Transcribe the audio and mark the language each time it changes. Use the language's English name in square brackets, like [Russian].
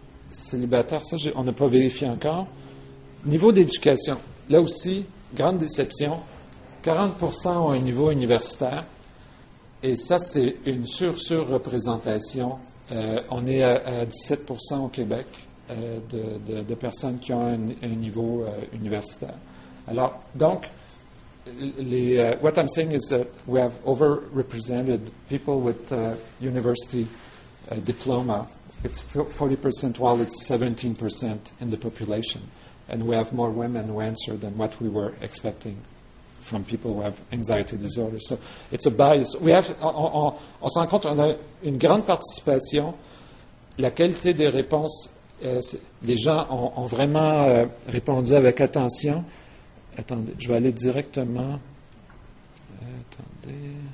[French] Célibataire, ça, on n'a pas vérifié encore. Niveau d'éducation, là aussi, grande déception. 40% ont un niveau universitaire. Et ça, c'est une surreprésentation. On est à 17% au Québec de personnes qui ont un niveau universitaire. Alors, donc, [English] what I'm saying is that we have overrepresented people with university diploma. It's 40% while it's 17% in the population. And we have more women who answer than what we were expecting from people who have anxiety disorders. So it's a bias. [French] On se rend compte, on a une grande participation, la qualité des réponses, les gens ont vraiment répondu avec attention. Attendez, je vais aller directement. Attendez.